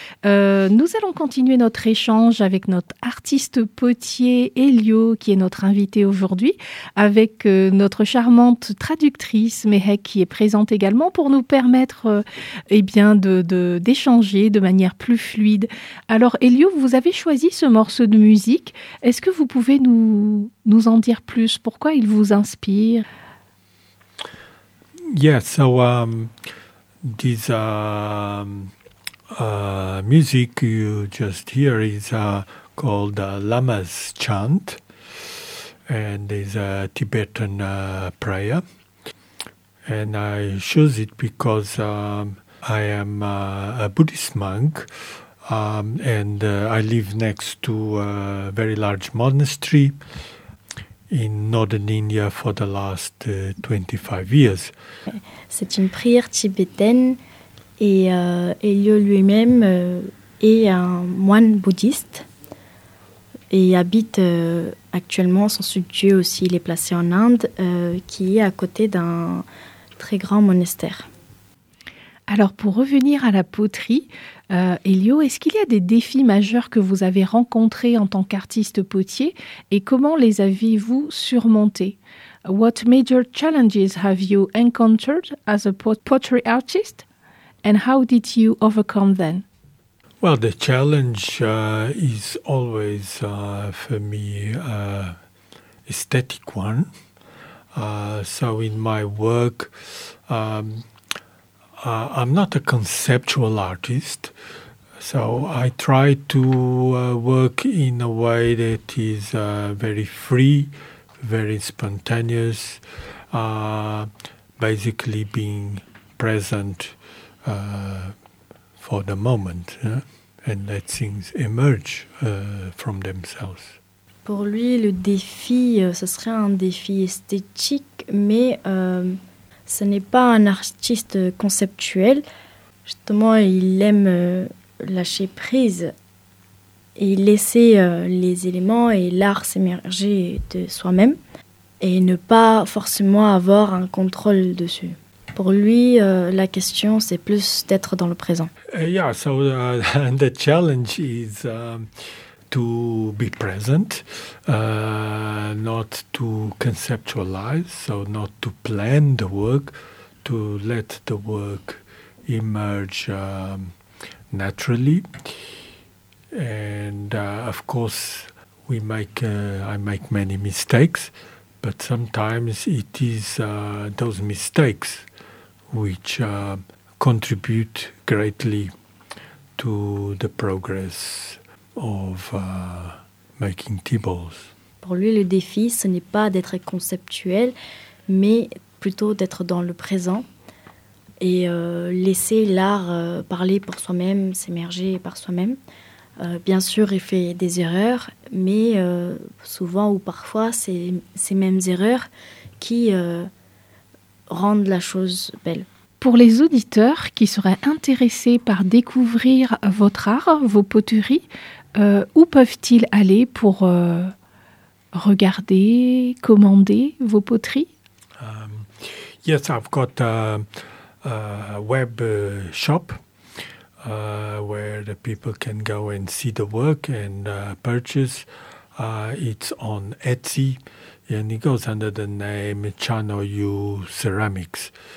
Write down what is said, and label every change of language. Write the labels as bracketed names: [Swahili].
[French] Nous allons continuer notre échange avec notre artiste potier Elio, qui est notre invité aujourd'hui, avec notre charmante traductrice Mehek, qui est présente également pour nous permettre d'échanger de manière plus fluide. Alors Elio, vous avez choisi ce morceau de musique. Est-ce que vous pouvez nous en dire plus? Pourquoi il vous inspire? [English] Yeah, so this music you just hear is called Lama's Chant, and is a Tibetan prayer. And I chose it because I am a Buddhist monk, and I live next to a very large monastery in northern India for the last 25 years. [French] C'est une prière tibétaine et Elio lui-même est un moine bouddhiste et habite actuellement, son sanctuaire aussi, il est placé en Inde, qui est à côté d'un très grand monastère. Alors pour revenir à la poterie, Elio, est-ce qu'il y a des défis majeurs que vous avez rencontrés en tant qu'artiste potier et comment les avez-vous surmontés? [English] What major challenges have you encountered as a pottery artist, and how did you overcome them? Well, the challenge is always for me aesthetic one. So in my work, I'm not a conceptual artist, so I try to work in a way that is very free, very spontaneous, basically being present for the moment, and let things emerge from themselves. [French] Pour lui, le défi, ce serait un défi esthétique, mais ce n'est pas un artiste conceptuel. Justement, il aime lâcher prise et laisser les éléments et l'art s'émerger de soi-même et ne pas forcément avoir un contrôle dessus. Pour lui, la question, c'est plus d'être dans le présent. [English] The challenge is to be present, not to conceptualize, so not to plan the work, to let the work emerge naturally. And of course, I make many mistakes, but sometimes it is those mistakes which contribute greatly to the progress of making tea balls. [French] Pour lui, le défi, ce n'est pas d'être conceptuel, mais plutôt d'être dans le présent et laisser l'art parler pour soi-même, s'émerger par soi-même. Bien sûr, il fait des erreurs, mais souvent ou parfois, c'est ces mêmes erreurs qui rendent la chose belle. Pour les auditeurs qui seraient intéressés par découvrir votre art, vos poteries, où peuvent-ils aller pour regarder, commander vos poteries? [English] Yes, I've got a web shop where the people can go and see the work and purchase. It's on Etsy and it goes under the name Chanoyu Ceramics.